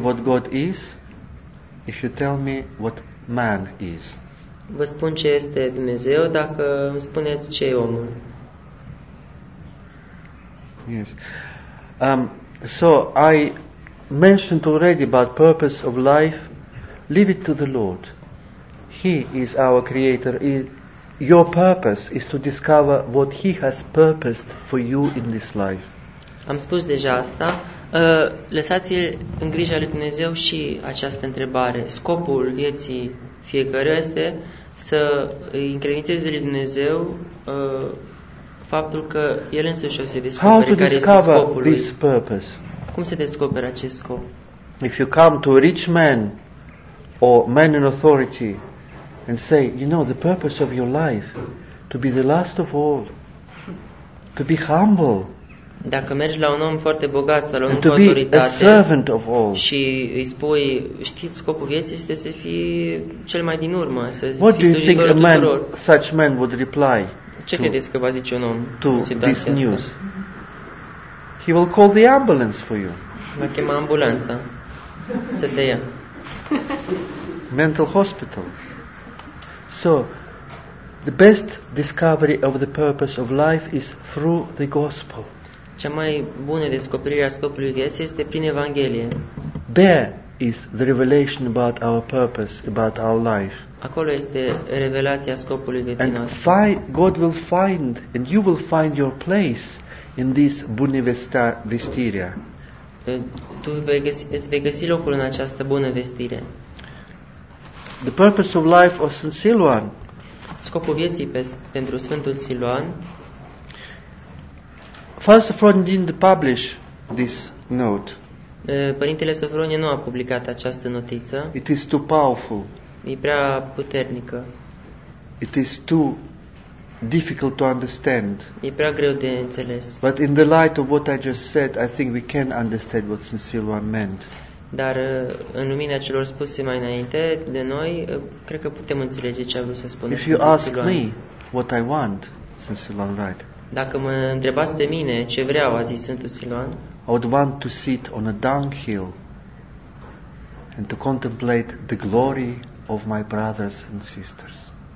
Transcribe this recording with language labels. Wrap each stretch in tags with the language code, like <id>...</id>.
<en>what God is if you tell me what man is.</en> <ro>Vă spun ce este Dumnezeu dacă îmi spuneți ce e omul.</ro> <en>Yes. So I mentioned already about purpose of life. Leave it to the Lord. He is our creator. Your purpose is to discover what he has purposed for you in this life.</en> <ro>Am spus deja asta. Lăsați-l în grija lui Dumnezeu și această întrebare. Scopul vieții fiecare este să încredințeze lui Dumnezeu faptul că el însuși o să descopere care este scopul lui. Cum se descoperă acest scop?</ro> <en>If you come to a rich man or man in authority and say, you know, the purpose of your life, to be the last of all, to be humble.</en> <ro>Dacă mergi la un om foarte bogat sau la un om cu autoritate,</ro> <en>a servant of all.</en> <ro>Și îi spui, știți, scopul vieții este să fii cel mai din urmă, să fii slujitorul tuturor.</ro> <en>What do you think a man, such man would reply?</en> <ro>Ce credeți că va zice un om?</ro> <en>To this news. He will call the ambulance for you.</en> <ro>Va chema ambulanța să te ia.</ro> <en>Mental hospital. So, the best discovery of the purpose of life is through the gospel.</en> <ro>Cea mai bună descoperire a scopului vieții este prin Evanghelie.</ro> <en>There is the revelation about our purpose, about our life.</en> <ro>Acolo este revelația scopului vieții</ro> <en>and</en> <ro>noastre.</ro> <en>God will find, and you will find your place in this</en> <ro>bună vestire. Tu vei găsi locul în această bună vestire.</ro> <en>The purpose of life of Saint Siluan.</en> <ro>Scopul vieții pentru Sfântul Siluan.</ro> <en>First of all, didn't publish this note.</en> <ro>Părintele Sofronie nu a publicat această notiță.</ro> <en>It is too powerful.</en> <ro>E prea puternică.</ro> <en>It is too difficult to understand.</en> <ro>E prea greu de înțeles.</ro> <en>But in the light of what I just said, I think we can understand what Saint Siluan meant.</en> <ro>Dar în lumina celor spuse mai înainte de noi, cred că putem înțelege ce a vrut să spună.</ro> <en>If you ask me what I want, Saint Siluan right.</en> <ro>Dacă mă întrebați de mine ce vreau, a zis Sfântul Siluan,</ro> <en>I would want to sit on a dunghill and to contemplate the glory of my brothers and sisters.</en>